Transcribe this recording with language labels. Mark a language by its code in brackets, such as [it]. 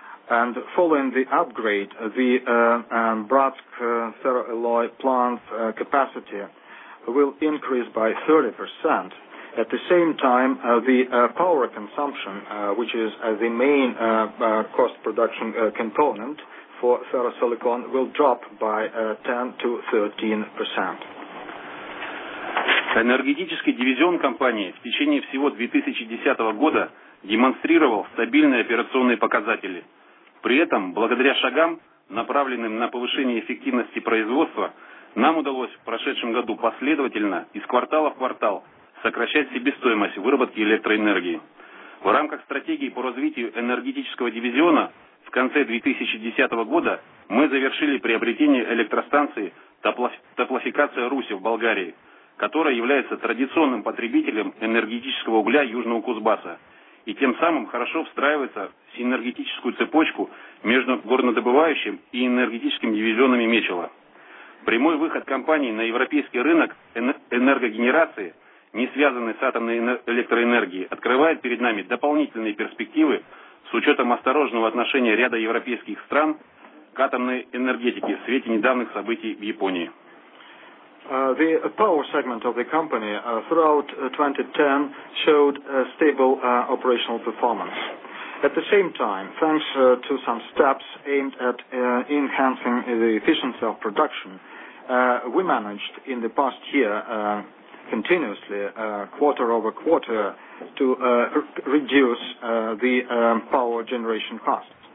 [en] And following the upgrade, the Bratsk ferroalloy plant capacity will increase by 30%. At the same time, the power consumption, which is the main cost production component for ferrosilicon, will drop by 10-13%. [ru] Энергетический дивизион компании в течение всего 2010 года демонстрировал стабильные операционные показатели. При этом, благодаря шагам, направленным на повышение эффективности производства, нам удалось в прошедшем году последовательно из квартала в квартал сокращать себестоимость выработки электроэнергии. В рамках стратегии по развитию энергетического дивизиона в конце 2010 года мы завершили приобретение электростанции «Топлофикация Руси» в Болгарии, которая является традиционным потребителем энергетического угля Южного Кузбасса и тем самым хорошо встраивается в синергетическую цепочку между горнодобывающим и энергетическим дивизионами Мечела. Прямой выход компании на европейский рынок энергогенерации, не связанный с атомной электроэнергией, открывает перед нами дополнительные перспективы с учетом осторожного отношения ряда европейских стран к атомной энергетике в свете недавних событий в Японии. [en] The power segment of the company throughout 2010 showed stable operational performance. At the same time, thanks to some steps aimed at enhancing the efficiency of production, we managed in the past year continuously, quarter over quarter, to reduce the power generation costs.